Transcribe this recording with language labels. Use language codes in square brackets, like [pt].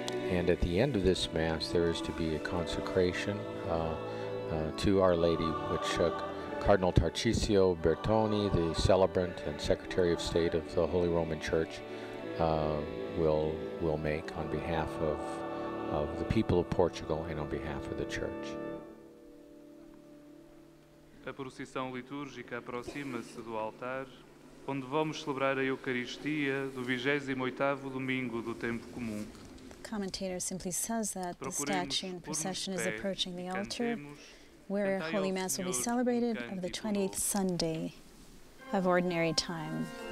[en] And at the end of this Mass, there is to be a consecration to Our Lady, which Cardinal Tarcisio Bertoni, the celebrant and Secretary of State of the Holy Roman Church, will make on behalf of the people of Portugal and on behalf of the Church. [pt] A procissão litúrgica aproxima-se do altar, onde vamos celebrar a Eucaristia do 28º domingo do tempo comum. [en] The commentator simply says that the statue in procession is approaching the altar, where Holy Mass will be celebrated on the 28th Sunday of ordinary time.